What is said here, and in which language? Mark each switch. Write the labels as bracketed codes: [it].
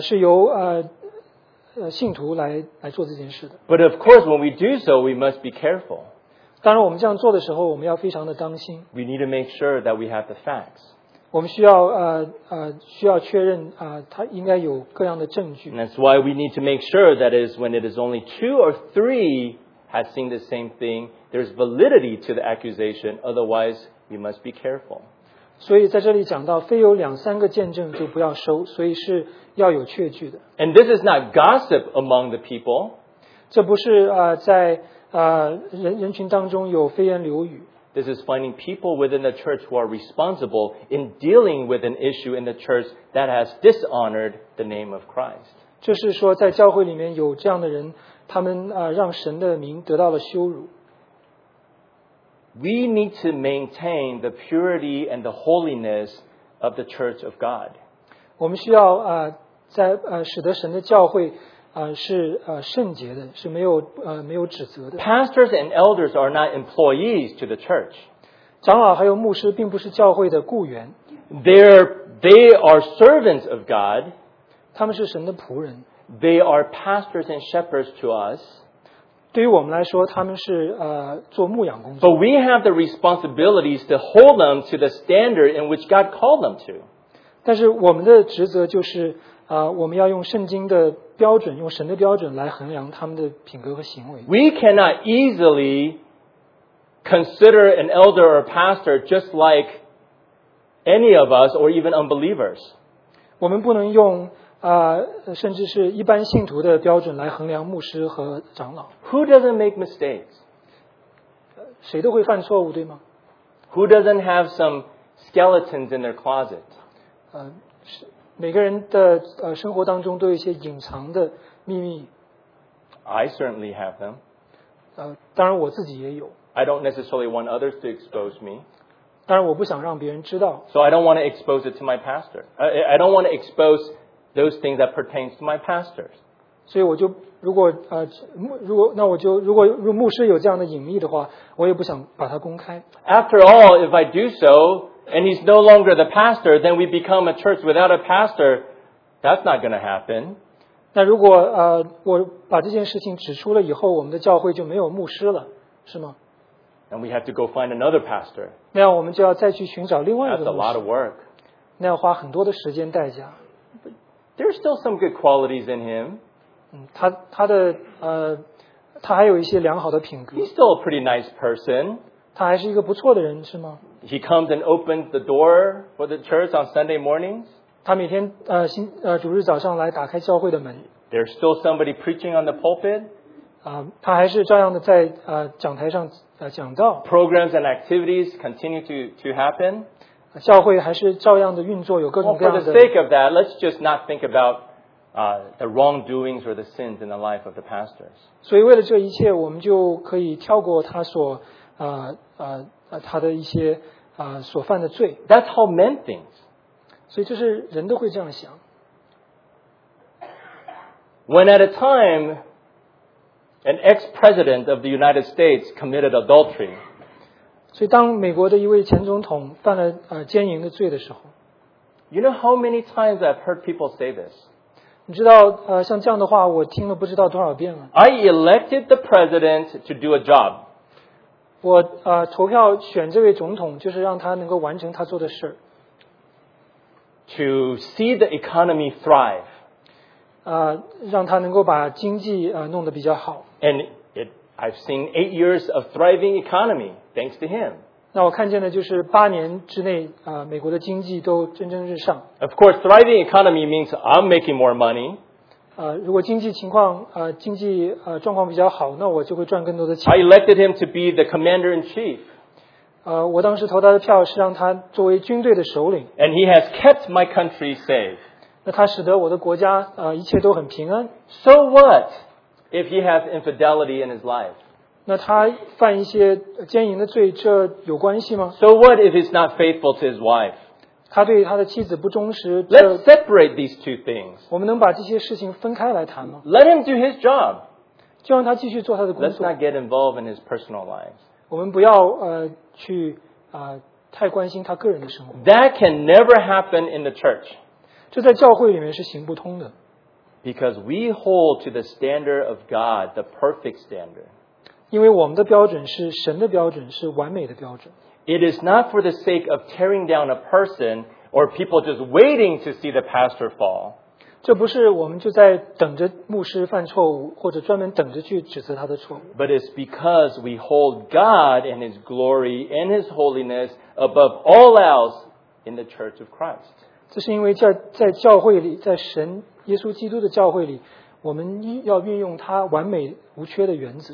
[zh] 是由信徒来做这件事的。 [en] But of course, when we do so, we must be careful. [zh] 当然我们这样做的时候，我们要非常的当心。 [en] We need to make sure that we have the facts. [zh] 我们需要确认他应该有各样的证据。 [en] And that's why we need to make sure that is when it is only two or three has seen the same thing, there's validity to the accusation, otherwise we must be careful. [zh] 所以在这里讲到非有两三个见证就不要收，所以是要有确据的。 [en] And this is not gossip among the people. [zh] 这不是在人群当中有非言流语。 [en] This is finding people within the church who are responsible in dealing with an issue in the church that has dishonored the name of Christ. [zh] 这是说在教会里面有这样的人，他们让神的名得到了羞辱。 [en] We need to maintain the purity and the holiness of the church of God. [zh] 我们需要在使得神的教会是圣洁的，是没有指责的。 [en] Pastors and elders are not employees to the church. [zh] 长老还有牧师并不是教会的雇员。 [en] They are servants of God. [zh] 他们是神的仆人。 [en] They are pastors and shepherds to us. [zh] 对于我们来说，他们是做牧养工作。 [en] But we have the responsibilities to hold them to the standard in which God called them to. [zh] 但是我们的职责就是我们要用圣经的标准，用神的标准来衡量他们的品格和行为。 [en] We cannot easily consider an elder or pastor just like any of us or even unbelievers. [zh] 我们不能用甚至是一般信徒的标准来衡量牧师和长老。 [en] Who doesn't make mistakes? [zh] 谁都会犯错误，对吗？ [en] Who doesn't have some skeletons in their closet? [zh] 每个人的生活当中都有一些隐藏的秘密。 [en] I certainly have them. [zh] 当然我自己也有。 [en] I don't necessarily want others to expose me. [zh] 当然我不想让别人知道。 [en] So I don't want to expose it to my pastor. I don't want to expose those things that pertain to my pastors. [zh] 所以我就如果牧师有这样的隐秘的话，我也不想把它公开。 [en] After all, if I do so,and he's no longer the pastor, then we become a church without a pastor. That's not going to happen. [zh] 那如果我把这件事情指出了以后，我们的教会就没有牧师了，是吗？ [en] And we have to go find another pastor. [zh] 那样我们就要再去寻找另外一个牧师。 [en] That's a lot of work. [zh] 那要花很多的时间代价。 [en] But there's still some good qualities in him. [zh] 他还有一些良好的品格。 [en] He's still a pretty nice person. [zh] 他还是一个不错的人，是吗？ [en] He comes and opens the door for the church on Sunday mornings. [zh] 他每天主日早上来打开教会的门。 [en] There's still somebody preaching on the pulpit. [zh] 他还是照样的在讲台上讲道。 [en] Programs and activities continue to happen. [zh] 教会还是照样的运作，有各种各样的。 [en] Well, for the sake of that, let's just not think about the wrongdoings or the sins in the life of the pastors. [zh] 所以为了这一切，我们就可以跳过他所他的一些所犯的罪。 [en] That's how men think. [zh] 所以就是人都会这样想。 [en] When at a time an ex-president of the United States committed adultery, [zh] 所以当美国的一位前总统犯了奸淫的罪的时候， [en] You know how many times I've heard people say this? [zh] 你知道像这样的话我听了不知道多少遍了。 [en] I elected the president to do a job. [zh] 我投票选这位总统，就是让他能够完成他做的事。 [en] To see the economy thrive. [zh] 让他能够把经济弄得比较好。 [en] And I've seen 8 years of thriving economy thanks to him. [zh] 那我看见的就是八年之内美国的经济都蒸蒸日上。 [en] Of course, thriving economy means I'm making more money. [zh] 如果经济情况经济状况比较好，那我就会赚更多的钱。 [en] I elected him to be the commander in chief. [zh] 我当时投他的票是让他作为军队的首领。 [en] And he has kept my country safe. [zh] 那他使得我的国家一切都很平安。 [en] So what if he has infidelity in his life? [zh] 那他犯一些奸淫的罪，这有关系吗？ [en] So what if he's not faithful to his wife? [zh] 他对他的妻子不忠实。 [en] Let's separate these two things. [zh] 我们能把这些事情分开来谈吗？ [en] Let him do his job. [zh] 就让他继续做他的工作。 [en] Let's not get involved in his personal life. [zh] 我们不要去太关心他个人的生活。 [en] That can never happen in the church. [zh] 这在教会里面是行不通的。 [en] Because we hold to the standard of God, the perfect standard. [zh] 因为我们的标准是神的标准，是完美的标准。 [en] It is not for the sake of tearing down a person or people just waiting to see the pastor fall. [zh] 这不是我们就在等着牧师犯错误，或者专门等着去指责他的错误。 [en] But it's because we hold God and His glory and His holiness above all else in the Church of Christ. [zh] 这是因为在教会里，在神耶稣基督的教会里，我们要运用他完美无缺的原则。